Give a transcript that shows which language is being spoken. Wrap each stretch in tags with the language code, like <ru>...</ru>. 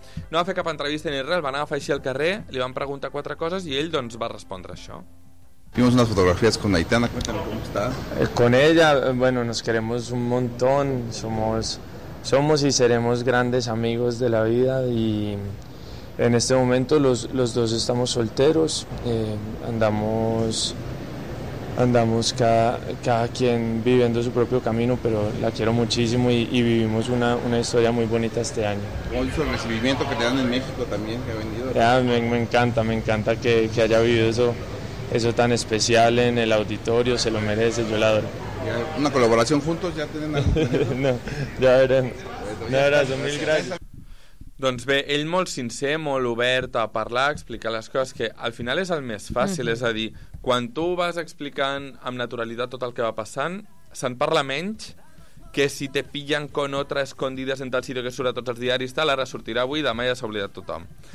<ca>No va fer cap entrevista ni res, el van agafar així al carrer, li van preguntar quatre coses i ell doncs va respondre això.</ca> <es>Vimos unas fotografías con Aitana, ¿cómo está? Con ella, bueno, nos queremos un montón, somos y seremos grandes amigos de la vida y en este momento los dos estamos solteros, andamos cada quien viviendo su propio camino, pero la quiero muchísimo y vivimos una historia muy bonita este año. ¿Cómo hizo el recibimiento que te dan en México también, que ha venido? Me encanta que haya vivido eso tan especial en el auditorio, se lo merece, yo la adoro. ¿Una colaboración juntos? ¿Ya tienen algo? No, ya veremos. Un abrazo, mil gracias.</es> <ca>Doncs bé, ell molt sincer, molt obert a parlar, a explicar les coses, que al final és el més fàcil, és a dir, quan tu vas explicant amb naturalitat tot el que va passant, se'n parla menys que si</ca> <es>te pillan con otra escondidas en tal sitio</es> <ca>que surt a tots els diaris, tal, ara sortirà avui, demà ja s'ha oblidat tothom.</ca>